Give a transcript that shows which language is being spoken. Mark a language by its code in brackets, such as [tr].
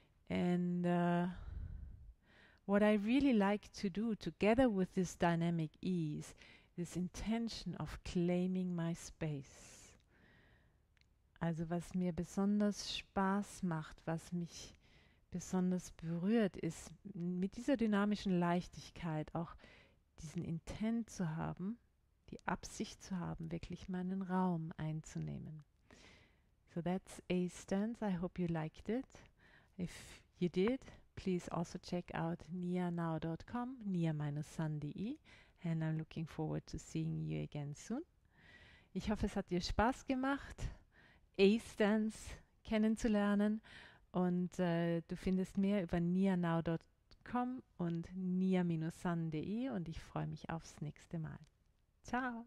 [en] And what I really like to do together with this dynamic ease, this intention of claiming my space. [de] Also was mir besonders Spaß macht, was mich besonders berührt, ist mit dieser dynamischen Leichtigkeit auch diesen Intent zu haben, die Absicht zu haben, wirklich meinen Raum einzunehmen. [en] So that's A stance. I hope you liked it. If you did, please also check out nianow.com, nia-san.de, and I'm looking forward to seeing you again soon. [de] Ich hoffe, es hat dir Spaß gemacht, A stance kennenzulernen, und du findest mehr über nianow.com und nia-san.de, und ich freue mich aufs nächste Mal. Ciao!